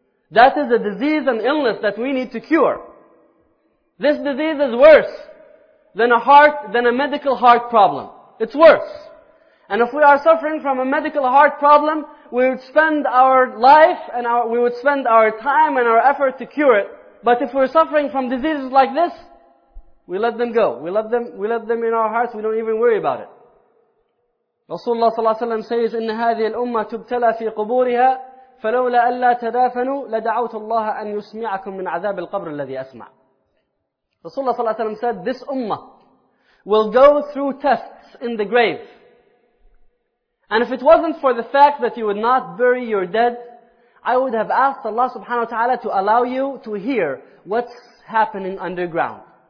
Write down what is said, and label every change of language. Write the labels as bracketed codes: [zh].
[en] That is a disease and illness that we need to cure. This disease is worse than a medical heart problem. It's worse. And if we are suffering from a medical heart problem, we would spend our life and we would spend our time and our effort to cure it. But if we're suffering from diseases like this, we let them go. We let them in our hearts. We don't even worry about it. Rasulullah sallallahu alayhi wa sallam says, [ar] إِنَّ هَذِهِ الْأُمَّةُ تُبْتَلَى فِي قُبُورِهَا فَلَوْلَا أَلَّا تَدَافَنُوا لَدَعَوْتُ اللَّهَ أَنْ يُسْمِعَكُمْ مِنْ عَذَابِ الْقَبْرِ الَّذِي أَسْمَعُ. [en] Rasulullah sallallahu alayhi wa sallam said, this ummah will go through tests in the grave. And if it wasn't for the fact that you would not bury your dead, I would have asked Allah subhanahu wa ta'ala to allow you to hear what's happening underground.